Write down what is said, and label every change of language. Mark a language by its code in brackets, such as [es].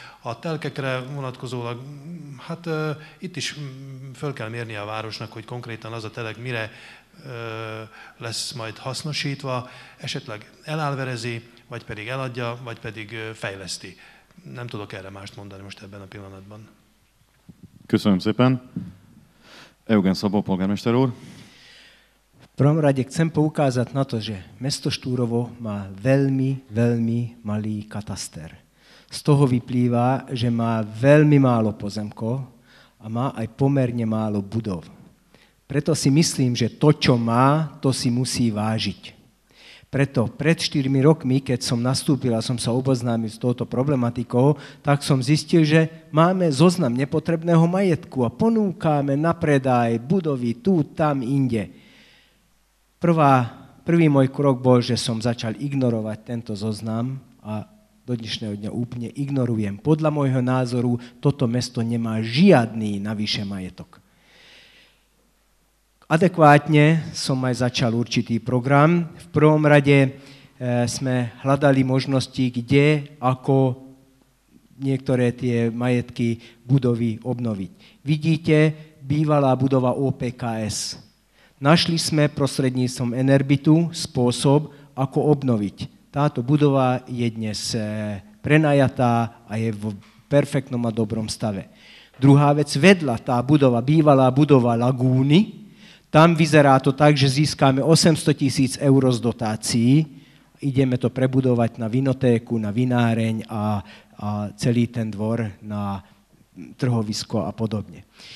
[hu] A telkekre vonatkozólag, hát itt is föl kell mérni a városnak, hogy konkrétan az a telek mire lesz majd hasznosítva, esetleg elálverezi, vagy pedig eladja, vagy pedig fejleszti. Nem tudok erre mást mondani most ebben a pillanatban. Köszönöm szépen. Eugen Szabó, polgármester úr. [sk] V prvom rade chcem poukázať na to, že mesto Štúrovo má veľmi, veľmi malý kataster. Z toho vyplýva, že má veľmi málo pozemkov a má aj pomerne málo budov. Preto si myslím, že to, čo má, to si musí vážiť. Preto pred 4 rokmi, keď som nastúpil a som sa oboznámil s touto problematikou, tak som zistil, že máme zoznam nepotrebného majetku a ponúkame na predaj budovy tu, tam, inde. Prvý môj krok bol, že som začal ignorovať tento zoznam a do dnešného dňa úplne ignorujem. Podľa môjho názoru toto mesto nemá žiadny navyše majetok. Adekvátne som aj začal určitý program. V prvom rade sme hľadali možnosti, kde ako niektoré tie majetky budovy obnoviť. Vidíte, bývalá budova OPKS. Našli sme prostredníctvom Enerbitu spôsob, ako obnoviť. Táto budova je dnes prenajatá a je v perfektnom a dobrom stave. Druhá vec, vedľa tá budova, bývalá budova Lagúny, tam vyzerá to tak, že získame 800 000 eur z dotácií, ideme to prebudovať na vinotéku, na vináreň a celý ten dvor na trhovisko a podobne.